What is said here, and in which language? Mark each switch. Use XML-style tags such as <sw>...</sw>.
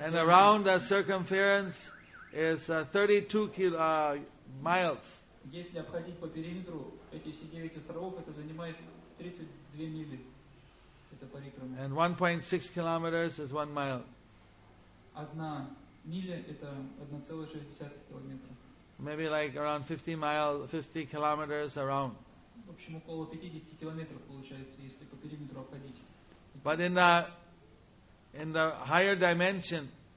<en>And around the circumference is 32 miles.</en> <ru>Если обходить по периметру эти все 9 островов, это занимает 32 мили. Это парикрама.</ru> <en>And 1.6 kilometers is 1 mile.</en> <ru>Одна миля это 1.6 километра.</ru> <en>Maybe like around 50 kilometers around.</en> <ru>В общем, около 50 километров получается, если по периметру обходить.</ru> <en>But in the higher dimension.</en>